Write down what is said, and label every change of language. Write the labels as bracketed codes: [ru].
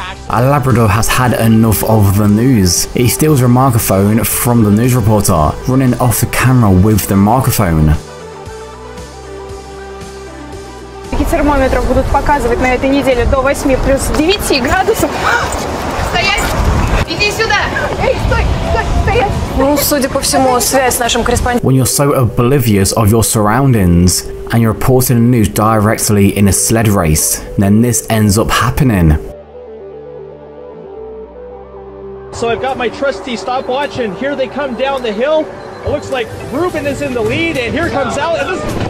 [en] A Labrador has had enough of the news. He steals a microphone from the news reporter, running off the camera with the microphone. [ru] Какие термометры будут показывать на этой неделе до 8 плюс 9 градусов? Стоять! Иди сюда! Эй, стой! Стоять! Ну, судя по всему, связь с нашим корреспондентом. [en] When you're so oblivious of your surroundings and you're reporting the news directly in a sled race, then this ends up happening. So I've got my trusty stopwatch, and here they come down the hill. It looks like Ruben is in the lead, and here comes Alex.